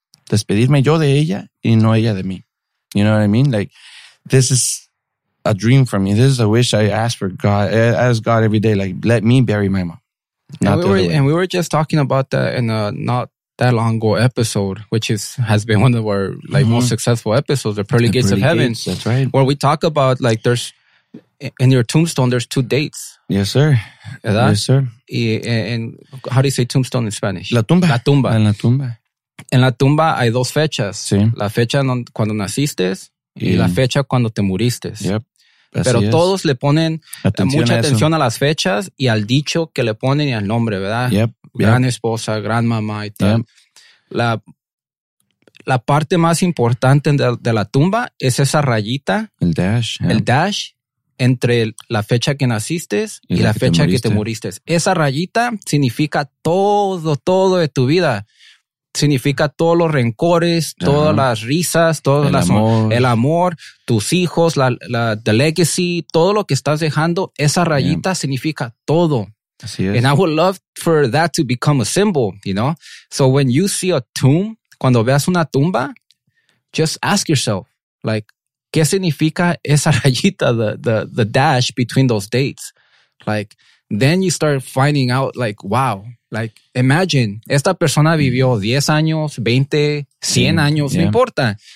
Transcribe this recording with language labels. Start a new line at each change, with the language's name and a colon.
Spanish: Despedirme yo de ella y no ella de mí.
English: You know what I mean? Like, this is a dream for me. This is a wish I ask for God. I ask God every day, like, let me bury my mom. And we were just talking about that in a not that long ago episode, which has been one of our most successful episodes, the Pearly Gates of Heaven. That's right. Where we talk about, like, there's in your tombstone, there's two dates. Yes, sir. Yes, sir. And how do you say tombstone in Spanish?
Spanish: La tumba. La tumba. En la tumba. En la tumba hay dos fechas. Sí. La fecha cuando naciste y la fecha cuando te muriste.
English: Yep.
Spanish: Pero todos le ponen mucha atención a las fechas y al dicho que le ponen y al nombre, ¿verdad?
English: Yep.
Spanish: Gran esposa, gran mamá y tal.
English: Yep.
Spanish: La la parte más importante de la tumba es esa rayita. El dash.
English: Yeah.
Spanish: El dash entre la fecha que naciste y la fecha que te muriste. Esa rayita significa todo, todo de tu vida. Significa todos los rencores, uh-huh, todas las risas, todas el las amor. El amor, tus hijos,
English: the legacy,
Spanish: todo lo que estás dejando, esa rayita, yeah, significa todo. Así es.
English: And I would love for that to become a symbol, you know? So when you see a tomb,
Spanish: cuando veas una tumba,
English: just ask yourself, like,
Spanish: ¿qué significa esa rayita,
English: the dash between those dates? Like, then you start finding out, like, wow. Like, imagine,
Spanish: esta persona vivió 10 años, 20, 100 años, yeah, no importa.